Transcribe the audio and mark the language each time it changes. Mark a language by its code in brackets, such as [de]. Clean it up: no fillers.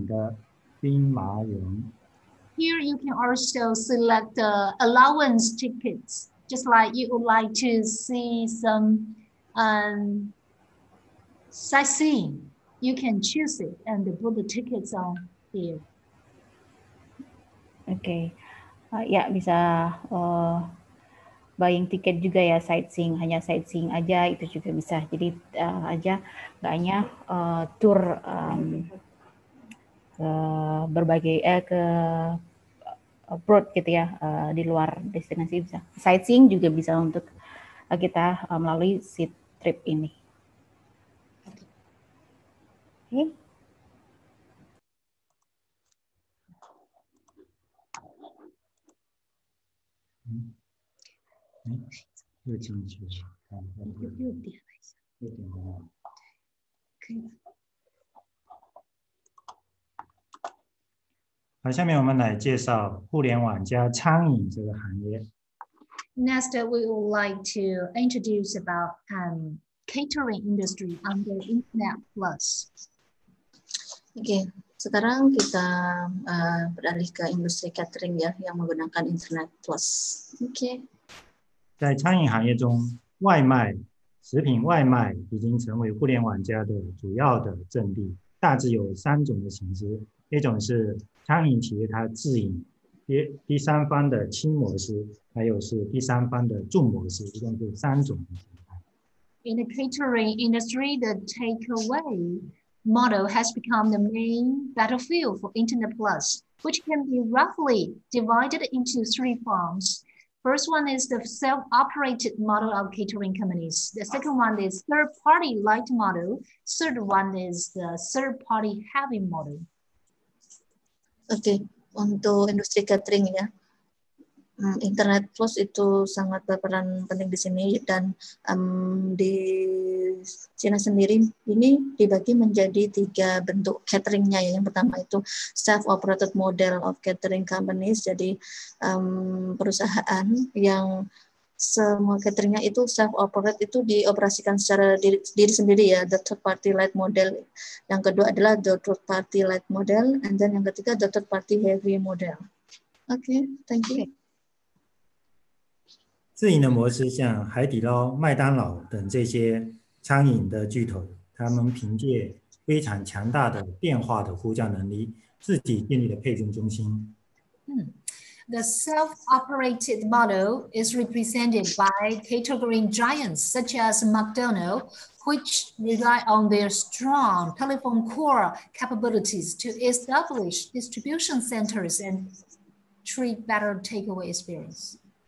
[zh] 在这里你就可以选择你想去的景点，比如说这是世界著名的兵马俑. [en] Here you can also select the allowance tickets, just like you would like to see some sightseeing, you can choose it and put the tickets on here. [id] Okay, ya bisa [en] buying [id] tiket juga ya, sightseeing, hanya sightseeing aja itu juga bisa. Jadi aja nggak hanya tour ke berbagai ke abroad gitu ya, di luar destinasi bisa. Sightseeing juga bisa untuk kita melalui Ctrip ini. [en] Okay. [zh] 又进去了，又点了一下，又点了，对，可以了。好，下面我们来介绍互联网加餐饮这个行业。 [en] Next, we would like to introduce about catering industry under Internet Plus. [id] Okay, sekarang kita beralih ke industri catering ya, yang menggunakan Internet Plus. [en] Okay. [zh] 在餐饮行业中，外卖、食品外卖已经成为互联网加的主要的阵地，大致有三种的形式，一种是餐饮企业它自营，第三方的轻模式，还有是第三方的重模式，一共是三种。 [en] In the catering industry, the takeaway model has become the main battlefield for Internet Plus, which can be roughly divided into three forms. First one is the self-operated model of catering companies. The second one is third-party light model. Third one is the third-party heavy model. [id] Oke, untuk industri catering ya, Internet Plus itu sangat berperan penting di sini dan di Cina sendiri ini dibagi menjadi tiga bentuk cateringnya ya. Yang pertama itu [en] self-operated model of catering companies, [id] jadi perusahaan yang semua cateringnya itu self-operated itu dioperasikan secara diri sendiri ya, [en] the third party light model. [id] Yang kedua adalah [en] the third party light model, and then [id] yang ketiga [en] the third party heavy model. Okay, thank you. [zh] 自营的模式像海底捞、麦当劳等这些餐饮的巨头，他们凭借非常强大的电话的呼叫能力，自己建立了配送中心。 [en] The self-operated model is represented by catering giants such as McDonald's, which rely on their strong telephone core capabilities to establish distribution centers and treat better takeaway experience.